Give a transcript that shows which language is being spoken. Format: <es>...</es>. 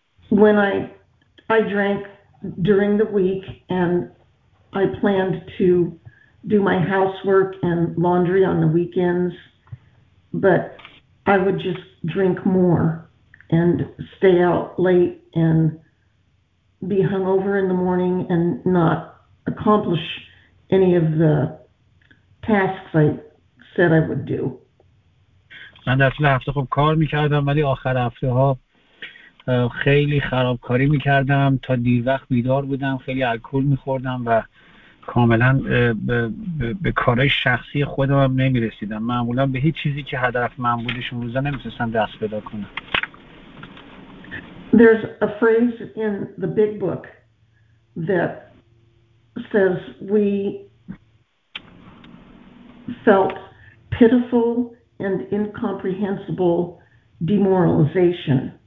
<en>When I drank during the week and I planned to do my housework and laundry on the weekends, but I would just drink more and stay out late and be hungover in the morning and not accomplish any of the tasks I said I would do.</en> <fa>من در طول هفته خوب کار میکردم، ولی آخر هفته ها خیلی خرابکاری میکردم، تا دیر وقت بیدار بودم، خیلی الکل میخوردم و کاملا به کارهای شخصی خودم هم نمیرسیدم. معمولا به هیچ چیزی که هدف من بودش اون روزا نمیتونستم دست پیدا کنم.</fa> <en>There's a phrase in the big book that says we felt pitiful and incomprehensible demoralization.</en>